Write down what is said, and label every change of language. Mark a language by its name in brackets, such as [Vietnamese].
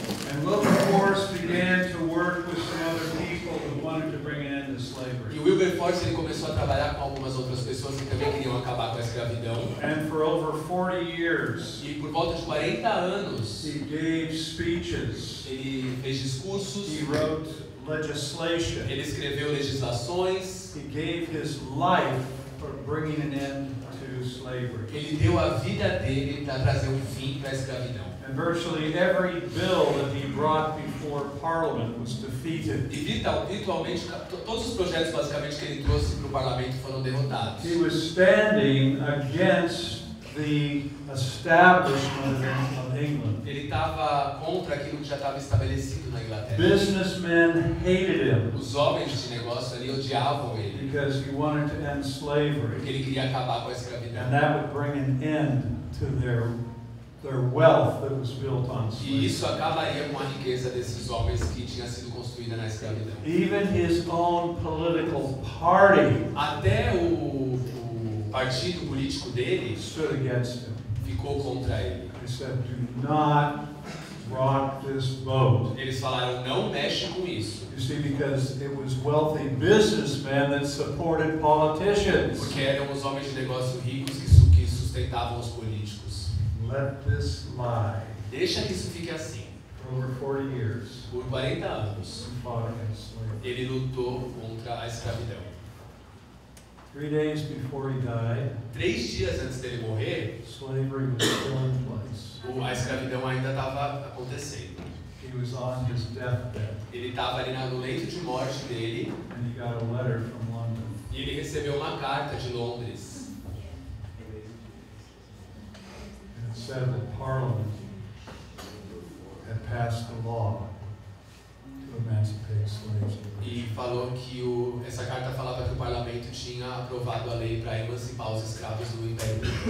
[English] And Wilberforce began to work with some other people who wanted to bring an end to slavery. [Portuguese] E o Forbes, ele começou a trabalhar com algumas outras pessoas que também queriam acabar com a escravidão. [English] And for over 40 years, [Portuguese] e por volta de 40 anos, [English] he gave speeches, [Portuguese] ele fez discursos, [English] he wrote legislation, [Portuguese] ele escreveu legislações, [English] he gave his life for bringing an end to slavery. [Portuguese] Ele deu a vida dele para trazer um fim para a escravidão. [English] And virtually every bill that he brought before Parliament was defeated. [Portuguese] Todos os projetos basicamente que ele trouxe para o parlamento foram derrotados. [English] He was standing against the establishment of England. [Portuguese] Ele estava contra aquilo que já estava estabelecido na Inglaterra. [English] Businessmen hated him. [Portuguese] Os homens de negócio ali odiavam ele. [English] Because he wanted to end slavery. [Portuguese] Porque ele queria acabar com a escravidão. [English] And that would bring an end to their wealth that was built on slavery. [Portuguese] E isso acabaria com a riqueza desses homens que tinha sido construída na escravidão. [English] Even his own political party, [Portuguese] até o partido político dele, [English] stood against him. [Portuguese] Ficou contra ele. [English] He said, "Do not rock this boat." [Portuguese] Eles falaram, não mexe com isso. [English] You see, because it was wealthy businessmen that supported politicians. [Portuguese] Porque eram os homens de negócios ricos que sustentavam os políticos. [English] Let this lie. [Portuguese] Deixa que isso fique assim. [English] For over 40 years, [Portuguese] por 40 anos, [English] he fought against slavery. [Portuguese] Ele lutou contra a escravidão. [English] 3 days before he died, [Portuguese] 3 dias antes dele morrer, [English] slavery was still in place. [Portuguese] A escravidão ainda estava acontecendo. [English] He was on his deathbed. [Portuguese] Ele estava ali no leito de morte dele. [English] And he got a letter from London. [Portuguese] E ele recebeu uma carta de Londres. [English] Said that Parliament had passed the law to emancipate slaves. [Portuguese] E falou que essa carta falava que o parlamento tinha aprovado a lei para emancipar os escravos do Império.